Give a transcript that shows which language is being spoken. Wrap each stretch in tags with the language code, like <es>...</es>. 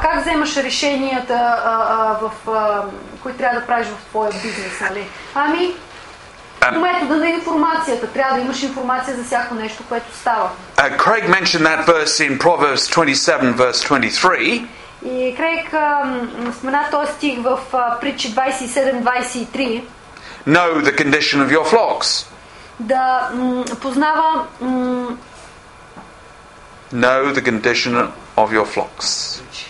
<bg>Как вземаш решенията в които трябва да правиш в твоя бизнес, нали? Ами метода на информацията, трябва да имаш информация за всяко нещо, което става.</bg> <en>Craig mentioned that verse in Proverbs 27 verse 23.</en> <bg>И Craig спомена този стих в Притчи 27:23.</bg> <en>Know the condition of your flocks.</en> <bg>Да познава</bg> <en>Know the condition of your flocks.</en>